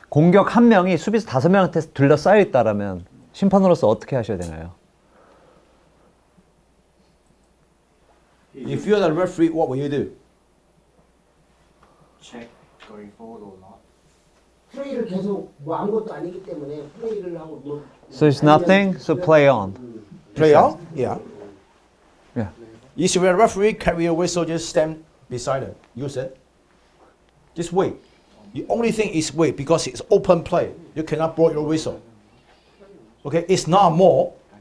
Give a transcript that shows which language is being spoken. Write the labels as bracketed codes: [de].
[ko] 공격 한 명이 수비수 다섯 명한테 둘러싸여 있다라면 심판으로서 어떻게 하셔야 되나요? [en] If you're the referee, what will you do? Check going forward or not? [ko] 플레이를 계속 뭐 아무것도 아니기 때문에 플레이를 하고 뭐. [en] So it's nothing, so play on. Play on? Yeah. Yeah. Is your referee carry a whistle, just stand beside it. Use it. Just wait. The only thing is wait because it's open play. You cannot blow your whistle. Okay, it's not more.